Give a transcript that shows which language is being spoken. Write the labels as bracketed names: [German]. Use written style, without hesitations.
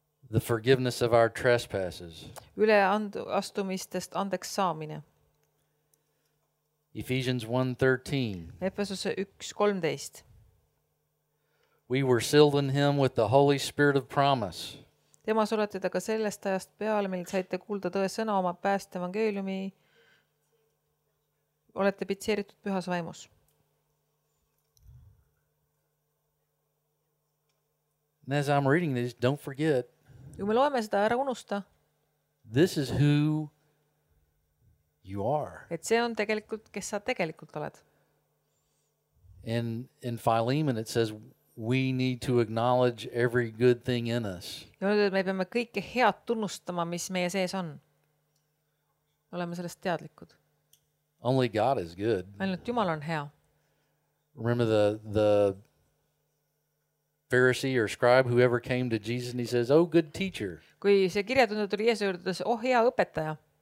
[English] The forgiveness of our trespasses. [Estonian] Üle astumistest andeks saamine. [English] Ephesians 1:13. [Estonian] Efesus 1:13. [English] We were sealed in him with the Holy Spirit of promise. [Estonian] Temas olete aga sellest ajast peale, mil saite kuulda tõe sõna oma pääste evangeeliumi, olete pitseeritud pühas vaimus. [English] And as I'm reading this, don't forget. [Estonian] Kui me loeme seda, ära unusta. [English] This is who you are. [Estonian] Et see on tegelikult, kes sa tegelikult oled. [English] In Philemon it says we need to acknowledge every good thing in us. [Estonian] Me peame kõike head tunnustama, mis meie sees on. Oleme sellest teadlikud. [English] Only God is good. [Estonian] Ainult Jumal on hea. [English] Remember the Pharisee or scribe whoever came to Jesus and he says, "Oh good teacher." [Estonian] Kui see kirjatundja tuli Jeesuse juurde, siis oh hea õpetaja.